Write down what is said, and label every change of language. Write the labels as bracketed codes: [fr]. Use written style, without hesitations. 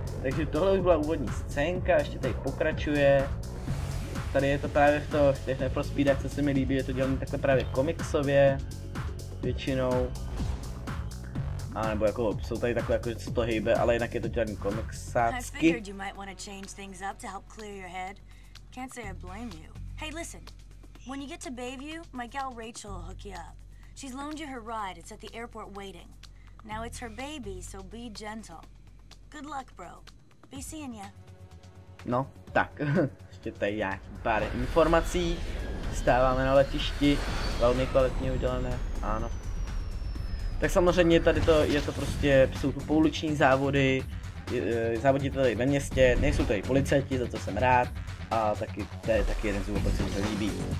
[cs] Takže tohle už byla úvodní scénka, ještě tady pokračuje. Tady je to právě v těch Need for Speedách, co se mi líbí, je to dělané takhle právě komiksově. Většinou. A nebo jako jsou tady takové, jako, že se to hýbe, ale jinak je to dělané komiksácky. [en] I figured you might want to change things up to help clear your head. Can't say I blame you. Hey, listen. When you get to Bayview, my gal Rachel will hook you up. She's loaned you her ride, it's at the airport waiting. Now it's her baby, so be gentle. Good luck, bro. Be seeing ya. [cs] No, tak. Ještě tady nějaký pár informací. Stáváme na letišti. Velmi kvalitně udělané. Ano. Tak samozřejmě tady to je to prostě, jsou tu pouliční závody. Závodí tady ve městě, nejsou tady policajti, za to jsem rád. A taky, to je taky jeden z důvodů, co se líbí.